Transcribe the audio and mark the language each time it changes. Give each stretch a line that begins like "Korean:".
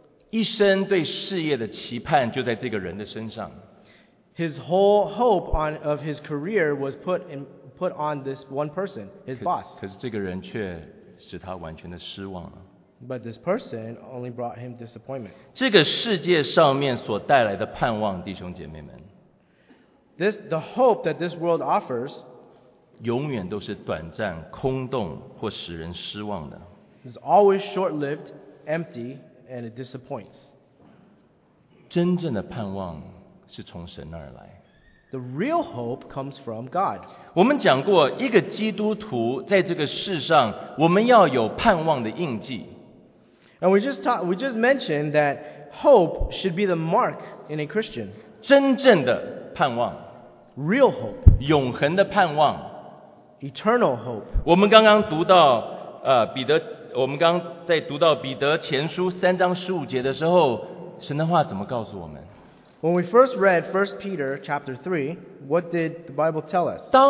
Chinese: 一生对事业的期盼就在这个人的身上。
English: His whole hope on of his career was put on this one person, his boss.
Chinese: 可是这个人却使他完全的失望了。
English: But this person only brought him disappointment.
Chinese: 这个世界上面所带来的盼望, 弟兄姐妹们,
English: the hope that this world offers,
Chinese: 永远都是短暂, 空洞, 或使人失望的。
English: It's always short-lived, empty, and it disappoints.
Chinese: 真正的盼望, 是从神那儿来。
English: The real hope comes from God.
Chinese: 我们讲过一个基督徒在这个世上, 我们要有盼望的印记。
English: And we just mentioned that hope should be the mark in a Christian.
Chinese: 真正的盼望。
English: Real hope.
Chinese: 永恒的盼望。
English: Eternal hope.
Chinese: 我们刚刚读到, 彼得, 我们刚刚在读到彼得前书3章15节的时候, 神的话怎么告诉我们？
English: When we first read 1 Peter chapter 3, what did the Bible tell us?